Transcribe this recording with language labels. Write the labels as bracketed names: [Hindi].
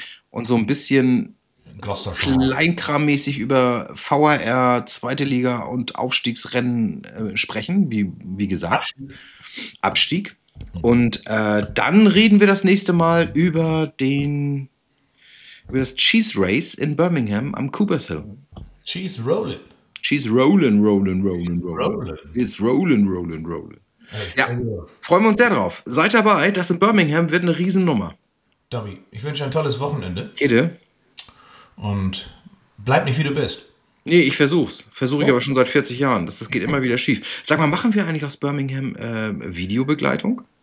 [German] Und so ein bisschen kleinkrammäßig über VAR, zweite Liga und Aufstiegsrennen sprechen, wie gesagt. Abstieg. Und dann reden wir das nächste Mal über das Cheese Race in Birmingham am Cooper's Hill. [English] Cheese rolling. Cheese rolling, rolling, rolling, rolling. It's rolling, rolling, rolling. [German] Ja, freuen wir uns sehr drauf. Seid dabei, das in Birmingham wird eine Riesennummer. Dobby, ich wünsche ein tolles Wochenende. Jede. Und bleib nicht, wie du bist. Nee, ich versuch's. Versuche ich aber schon seit 40 Jahren. Das geht immer wieder schief. Sag mal, machen wir eigentlich aus Birmingham Videobegleitung?